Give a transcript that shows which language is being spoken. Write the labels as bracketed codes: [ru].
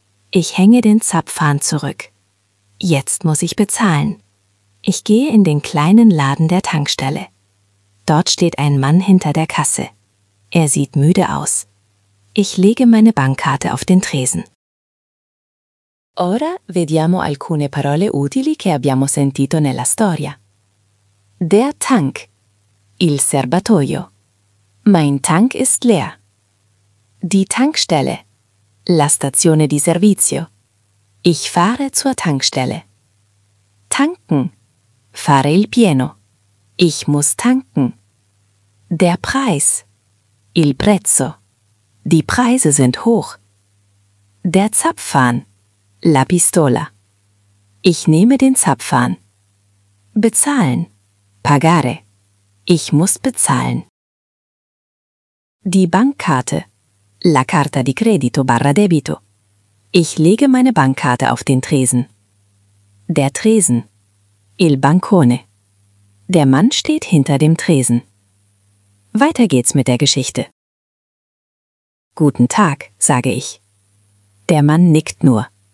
[de] Ich hänge den Zapfhahn zurück. Jetzt muss ich bezahlen. Ich gehe in den kleinen Laden der Tankstelle. Dort steht ein Mann hinter der Kasse. Er sieht müde aus. Ich lege meine Bankkarte auf den Tresen. [it] Ora vediamo alcune parole utili che abbiamo sentito nella storia. [de] Der Tank. [it] Il serbatoio. [de] Mein Tank ist leer. Die Tankstelle. [it] La stazione di servizio. [de] Ich fahre zur Tankstelle. Tanken. [it] Fare il pieno. [de] Ich muss tanken. Der Preis. [it] Il prezzo. [de] Die Preise sind hoch. Der Zapfhahn. [it] La pistola. [de] Ich nehme den Zapfhahn. Bezahlen. Pagare. Ich muss bezahlen. Die Bankkarte. [it] La carta di credito barra debito. [de] Ich lege meine Bankkarte auf den Tresen. Der Tresen. [it] Il bancone. [de] Der Mann steht hinter dem Tresen. Weiter geht's mit der Geschichte. Guten Tag, sage ich. Der Mann nickt nur.